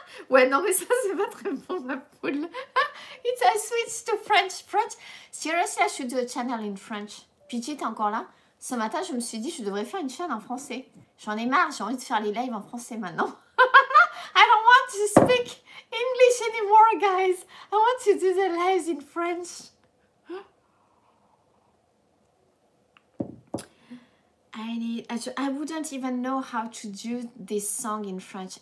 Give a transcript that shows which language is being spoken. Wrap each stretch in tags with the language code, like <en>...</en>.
<fr>Ouais, non, mais ça, c'est pas très bon, ma poule.</fr> <en>It's a switch to French. French. Seriously, I should do a channel in French.</en> <fr>Pitié, t'es encore là? Ce matin, je me suis dit, je devrais faire une chaîne en français. J'en ai marre, j'ai envie de faire les lives en français maintenant.</fr> <en>I don't want to speak English anymore, guys. I want to do the lives in French. I wouldn't even know how to do this song in French.</en>